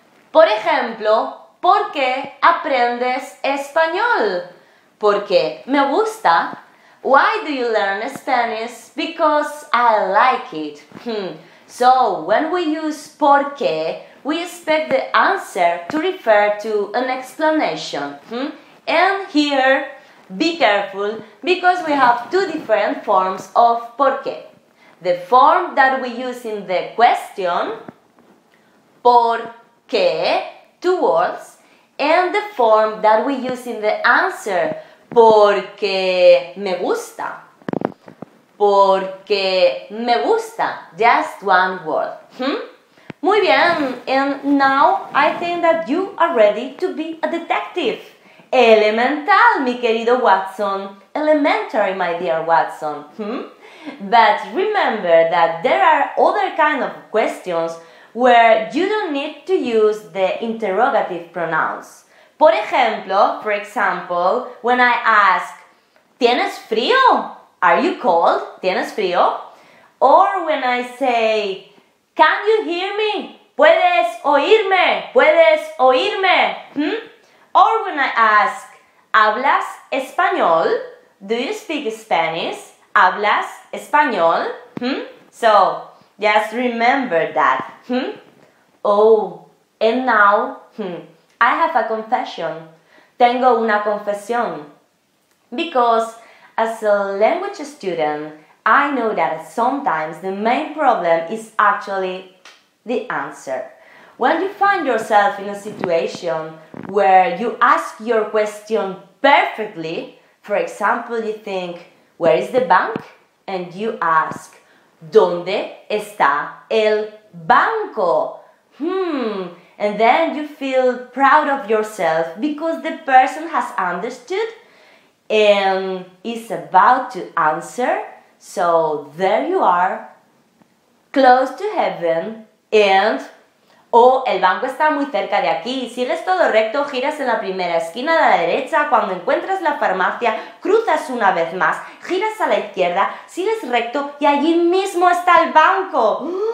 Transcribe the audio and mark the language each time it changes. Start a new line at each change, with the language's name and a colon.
Spanish: Por ejemplo, ¿por qué aprendes español? Porque me gusta.
English: Why do you learn Spanish? Because I like it. So, when we use por qué, we expect the answer to refer to an explanation. And here, be careful, because we have two different forms of por qué. The form that we use in the question, por qué, two words, and the form that we use in the answer,
Spanish: porque me gusta. Porque me gusta.
English: Just one word.
Spanish: Muy bien.
English: And now I think that you are ready to be a detective.
Spanish: Elemental, mi querido Watson.
English: Elementary, my dear Watson. But remember that there are other kinds of questions where you don't need to use the interrogative pronouns.
Spanish: Por ejemplo,
English: for example, when I ask,
Spanish: ¿tienes frío?
English: Are you cold?
Spanish: ¿Tienes frío?
English: Or when I say, ¿can you hear me?
Spanish: ¿Puedes oírme? ¿Puedes oírme?
English: Or when I ask,
Spanish: ¿hablas español?
English: Do you speak Spanish?
Spanish: ¿Hablas español?
English: So, just remember that. Oh, and now, I have a confession.
Spanish: Tengo una confesión.
English: Because as a language student, I know that sometimes the main problem is actually the answer. When you find yourself in a situation where you ask your question perfectly, for example, you think, where is the bank? And you ask,
Spanish: ¿dónde está el banco?
English: And then you feel proud of yourself because the person has understood and is about to answer. So there you are, close to heaven, and oh,
Spanish: el banco está muy cerca de aquí. Sigues todo recto, giras en la primera esquina de la derecha. Cuando encuentras la farmacia, cruzas una vez más, giras a la izquierda, sigues recto y allí mismo está el banco.